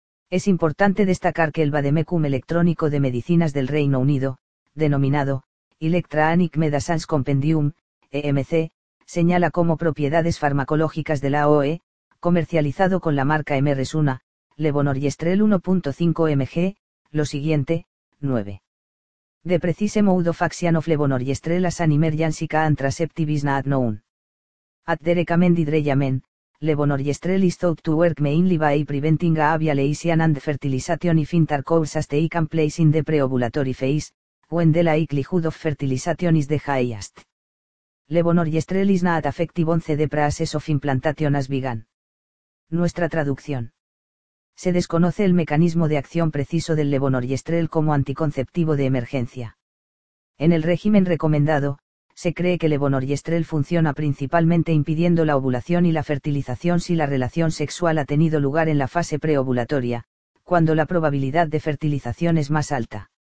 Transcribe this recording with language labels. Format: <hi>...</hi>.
<es>Es importante destacar que el Vademecum electrónico de medicinas del Reino Unido, denominado Electronic Medicines Compendium, EMC, señala como propiedades farmacológicas de la AOE, comercializado con la marca MRSUNA, levonorgestrel 1.5 mg, lo siguiente, 9.</es> <en>The precise mode of action of levonorgestrel as an emergency contraceptive is not known. At the recommended regimen, levonorgestrel is thought to work mainly by preventing a avia lesion and fertilization if intercourse has taken place in the preovulatory phase, when the likelihood of fertilization is the highest. Levonorgestrel is not effective once the process of implantation has begun.</en> <es>Nuestra traducción. Se desconoce el mecanismo de acción preciso del levonorgestrel como anticonceptivo de emergencia. En el régimen recomendado, se cree que levonorgestrel funciona principalmente impidiendo la ovulación y la fertilización si la relación sexual ha tenido lugar en la fase preovulatoria, cuando la probabilidad de fertilización es más alta.</es>